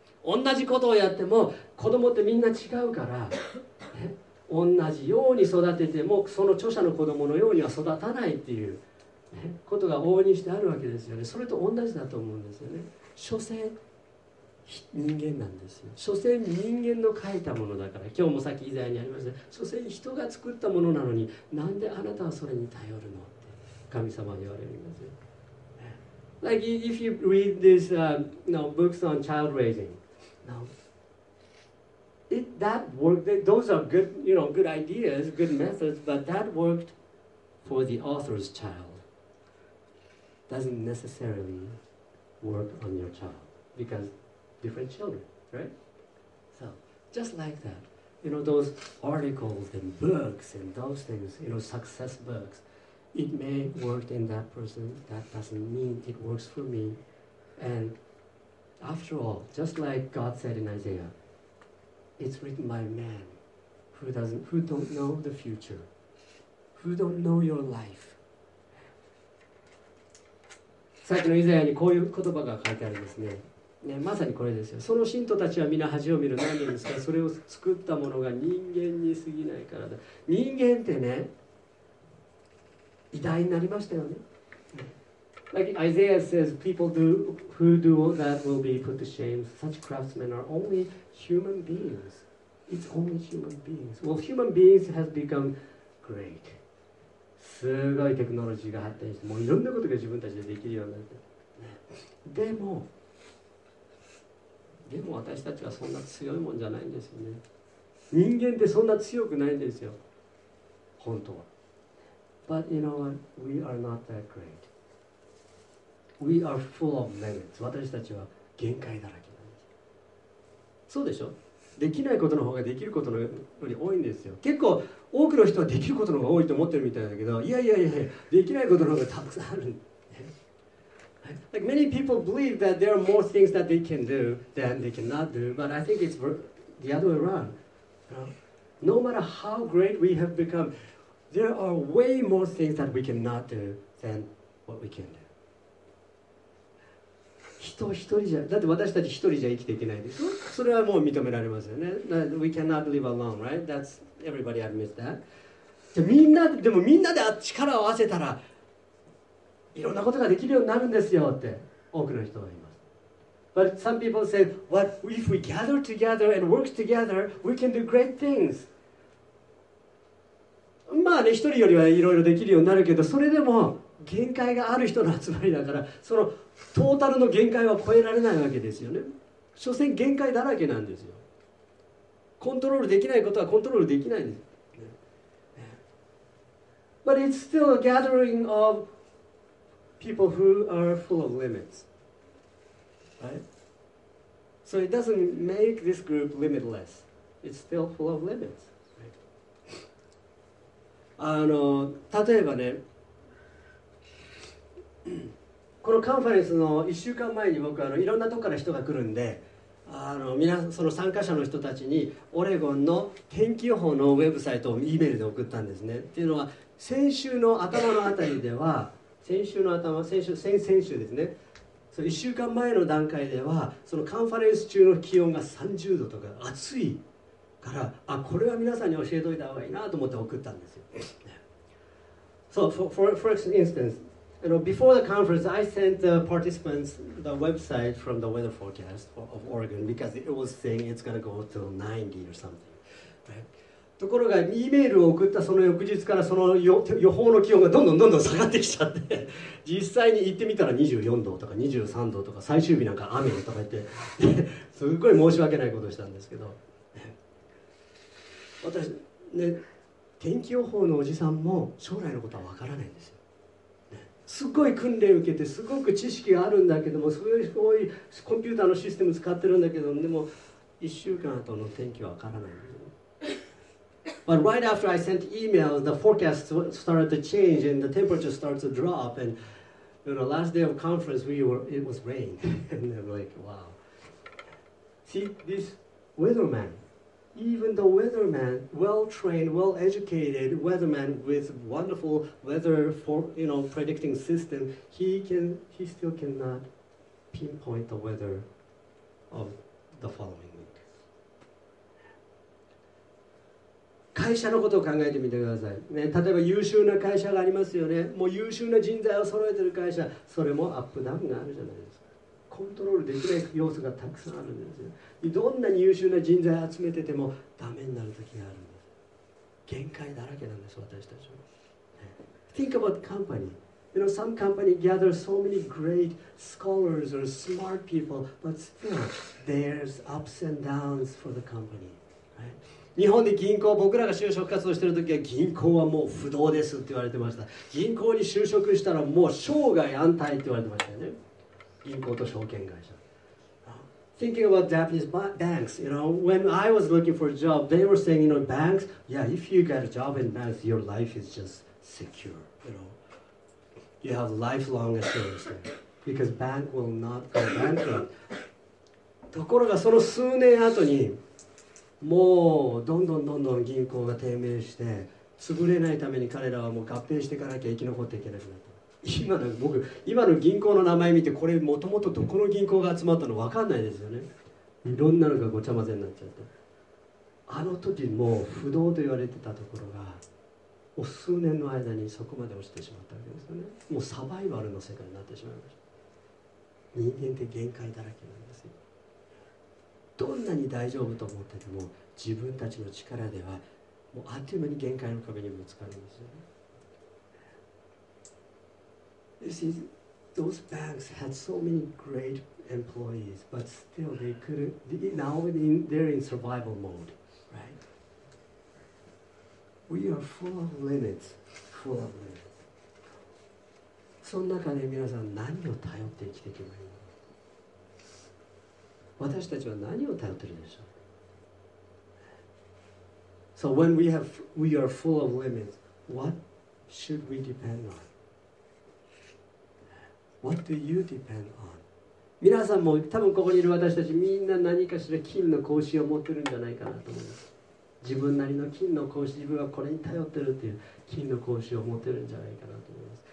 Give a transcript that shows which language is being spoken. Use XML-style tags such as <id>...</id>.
<ja>同じことをやっても子供ってみんな違うから、ね、同じように育ててもその著者の子供のようには育たないっていう、ね、ことが往々にしてあるわけですよね。それと同じだと思うんですよね。所詮人間なんですよ。所詮人間の書いたものだから、今日もさっきイザヤにありました、所詮人が作ったものなのに、なんであなたはそれに頼るのって神様に言われるんですよ。</ja> <en>Like if you read this books on child raising, those are good, you know, good ideas, good methods, but that worked for the author's child doesn't necessarily work on your child becauseDifferent children, right? So, just like that, you know, those articles and books and those things, you know, success books, it may work in that person, that doesn't mean it works for me. And after all, just like God said in Isaiah, it's written by man who don't know the future, who don't know your life.</en> <ja>さっきのイザヤにこういう言葉が書いてあるんですね。ね、まさにこれですよ。その信徒たちは皆恥を見る。何なんですか。それを作ったものが人間に過ぎないからだ。人間ってね、偉大になりましたよね。</ja> <en>Like Isaiah says, people who do all that will be put to shame. Such craftsmen are only human beings. It's only human beings. Well, human beings has become great.</en> <ja>すごいテクノロジーが発展して、もういろんなことが自分たちでできるようになった。でも、でも私たちはそんな強いもんじゃないんですよね。人間ってそんな強くないんですよ、本当は。</ja> <en>But you know what? We are not that great. We are full of limits.</en> <ja>私たちは限界だらけなんです。そうでしょ。できないことの方ができることのより多いんですよ。結構多くの人はできることの方が多いと思ってるみたいだけど、いやいやいや、できないことの方がたくさんある。</ja> <en>Like many people believe that there are more things that they can do than they cannot do, but I think it's the other way around. No matter how great we have become, there are way more things that we cannot do than what we can do.</en> <ja>人一人じゃ、だって私たち一人じゃ生きていけないです。それはもう認められますよね。</ja> <en>We cannot live alone, right? That's, everybody admits that.</en> <ja>じゃあみんなでもみんなで力を合わせたらいろんなことができるようになるんですよって多くの人は言います。</ja> <en>But some people say, what if we gather together and work together, we can do great things.</en> <ja>まあね、一人よりはいろいろできるようになるけど、それでも限界がある人の集まりだから、そのトータルの限界は超えられないわけですよね。所詮限界だらけなんですよ。コントロールできないことはコントロールできないんです。</ja> <en>But it's still a gathering of people who are full of limits, right? So it doesn't make this group limitless. It's still full of limits.</en> <ja>あの例えばね、このカンファレンスの1週間前に僕あのいろんなとこから人が来るんで、あの皆その参加者の人たちにオレゴンの天気予報のウェブサイトを E メールで送ったんですね。っていうのは先週の頭のあたりでは先週ですね、その1週間前の段階ではそのカンファレンス中の気温が30度とか暑いから、あ、これは皆さんに教えておいた方がいいなと思って送ったんですよ。</ja> <en>So for instance, you know, before the conference, I sent the participants the website from the weather forecast of Oregon because it was saying it's gonna go to 90 or something.、Right?</en> <ja>ところが、E メールを送ったその翌日からその予報の気温がどんどんどんどん下がってきちゃって、実際に行ってみたら24度とか23度とか、最終日なんか雨とか言って、すっごい申し訳ないことをしたんですけど。私ね、天気予報のおじさんも将来のことは分からないんですよ、ね、すごい訓練受けてすごく知識があるんだけども、すごいコンピューターのシステム使ってるんだけども、でも1週間後の天気は分からないんですよ。</ja> <en>But right after I sent email, the forecast started to change and the temperature starts to drop, and the last day of conference it was rain. And I'm like, wow. See, this weatherman,Even the weatherman, well-trained, well-educated weatherman with wonderful weather for, you know, predicting system, he still cannot pinpoint the weather of the following week.</en> <ja>会社のことを考えてみてください、ね、例えば優秀な会社がありますよね。もう優秀な人材を揃えている会社、それもアップダウンがあるじゃないですか。コントロールできない要素がたくさんあるんですよ。どんなに優秀な人材を集めててもダメになる時があるんです。限界だらけなんです、私たちは。</ja> <en>Think about company. You know, some company gathers so many great scholars or smart people, but still, there's ups and downs for the company. Right?</en> <ja>日本で銀行、僕らが就職活動してる時は銀行はもう不動ですって言われてました。銀行に就職したらもう生涯安泰って言われてましたよね。銀行と証券会社。</ja> <en>Thinking about Japanese banks, you know, when I was looking for a job, they were saying, you know, banks, yeah, if you get a job in banks, your life is just secure, you know. You have lifelong assurance there, because bank will not go bankrupt.</en> <ja>ところがその数年後に、もうどんどんどんどん銀行が低迷して、潰れないために彼らはもう合併していかなきゃ生き残っていけなくなった。今の銀行の名前見て、これもともとどこの銀行が集まったの分かんないですよね。いろんなのがごちゃ混ぜになっちゃって、あの時もう不動と言われてたところが、もう数年の間にそこまで落ちてしまったわけですよね。もうサバイバルの世界になってしまいました。人間って限界だらけなんですよ。どんなに大丈夫と思ってても、自分たちの力ではもうあっという間に限界の壁にぶつかるんですよね。</ja> <en>You see, those banks had so many great employees, but still they couldn't, now they're in survival mode, right? We are full of limits, full of limits.</en> <ja>その中で皆さん何を頼って生きていけばいいの？私たちは何を頼ってるでしょう？</ja> <en>So when we are full of limits, what should we depend on? What do you depend on?</en> <ja>皆さんも多分ここにいる私たち、みんな何かしら金の格子を持ってるんじゃないかなと思います。自分なりの金の格子、自分はこれに頼ってるっていう金の格子を持ってるんじゃないかなと思います。</ja>